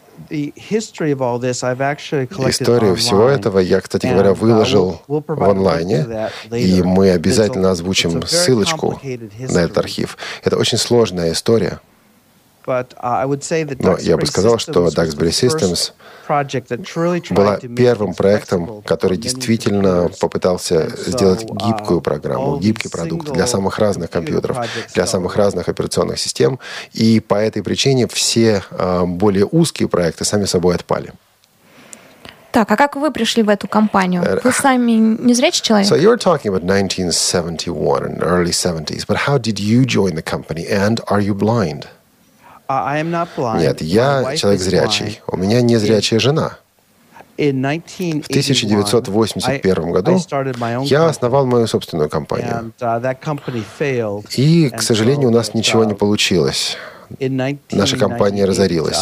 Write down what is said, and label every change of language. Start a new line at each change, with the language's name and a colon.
English: The history of all this, I've actually collected.
Russian: Историю всего этого я, кстати говоря, выложил в онлайне, и мы обязательно озвучим ссылочку на этот архив. Это очень сложная история. Но я бы сказал, что Duxbury Systems была первым проектом, который действительно попытался сделать гибкую программу, гибкий продукт для самых разных компьютеров, для самых разных операционных систем. И по этой причине все более узкие проекты сами собой отпали. Так, а как вы пришли в эту компанию? Вы сами незрячий человек?
English: So you were talking about 1971 and early 70s, but how did you join the company and are you blind? I am not blind.
Russian: Нет, я человек зрячий. У меня незрячая жена. 1981 году я основал мою собственную компанию. И, к сожалению, у нас ничего не получилось. Наша компания разорилась.